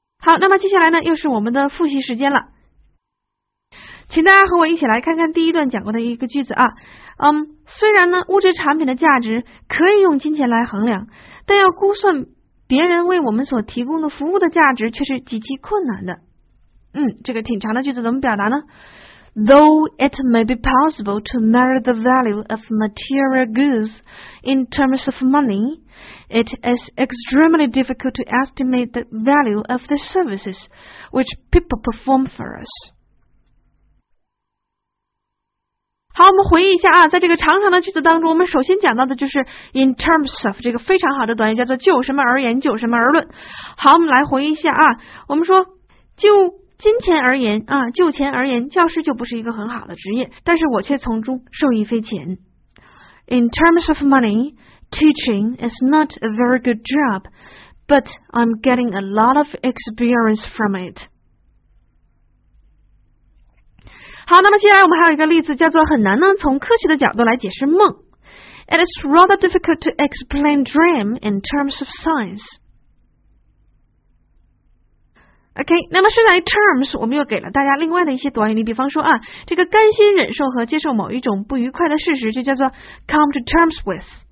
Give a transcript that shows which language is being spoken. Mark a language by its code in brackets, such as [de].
[zh] 好，那么接下来呢，又是我们的复习时间了。请大家和我一起来看看第一段讲过的一个句子啊。虽然呢，物质产品的价值可以用金钱来衡量，但要估算别人为我们所提供的服务的价值却是极其困难的。嗯，这个挺长的句子怎么表达呢？ [en] Though it may be possible to measure the value of material goods in terms of money, it is extremely difficult to estimate the value of the services which people perform for us. [zh] 好，我们回忆一下啊，在这个长长的句子当中，我们首先讲到的就是 in terms of 这个非常好的短语，叫做就什么而言，就什么而论。好，我们来回忆一下啊，我们说就金钱而言啊，就钱而言，教师就不是一个很好的职业，但是我却从中受益匪浅。 [en] In terms of money, teaching is not a very good job, but I'm getting a lot of experience from it. [zh] 好，那么接下来我们还有一个例子，叫做很难呢，从科学的角度来解释梦。 [en] It is rather difficult to explain dream in terms of science. [zh] OK, 那么剩下的 terms 我们又给了大家另外的一些短语，你比方说啊，这个甘心忍受和接受某一种不愉快的事实就叫做 [en] come to terms with。